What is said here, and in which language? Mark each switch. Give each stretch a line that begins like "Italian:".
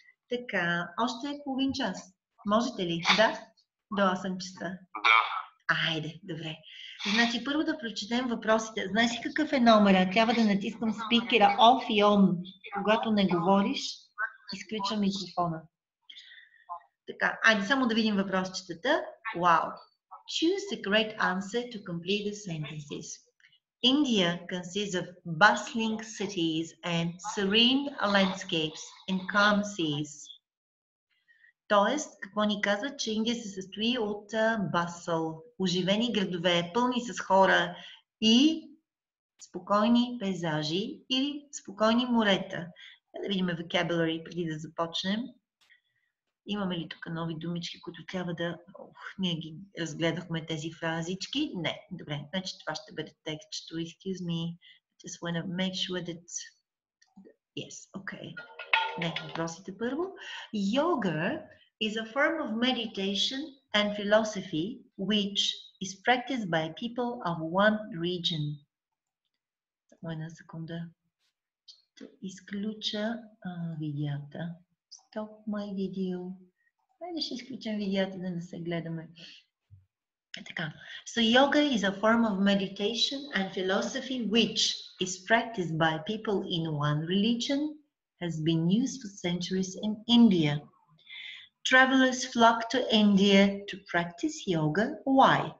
Bulgarian: Така, още половин час. Можете ли? Да? До 8 часа. Да. Айде, добре. Значи първо да прочетем въпросите. Знаеш ли какъв е номера? Трябва да натискам спикера off и on. Когато не говориш, изключвам микрофона. Така, айде само да видим въпросчетата. Вау!
English: Choose the correct answer to complete the sentences. India consists of bustling cities and serene landscapes and calm seas.
Bulgarian: Тоест, какво ни казва, че Индия се състои от бъсъл, оживени градове, пълни с хора и спокойни пейзажи или спокойни морета. Да видим vocabulary преди да започнем. Имаме ли тук нови думички, които трябва да... Ох, ние ги разгледахме тези фразички. Не, добре, значи това ще бъде текстчето.
English: Excuse me, just wanna make sure that... Yes, okay.
Bulgarian: Не, въпросите първо.
English: Yoga is a form of meditation and philosophy which is practiced by people of one region.
Bulgarian: Само една секунда. Ще изключа видеята.
English: Stop my video.
Bulgarian: Хайде ще изключим видеята да не се гледаме. Така.
English: So yoga is a form of meditation and philosophy which is practiced by people in one religion has been used for centuries in India. Travelers flock to India to practice yoga. Why?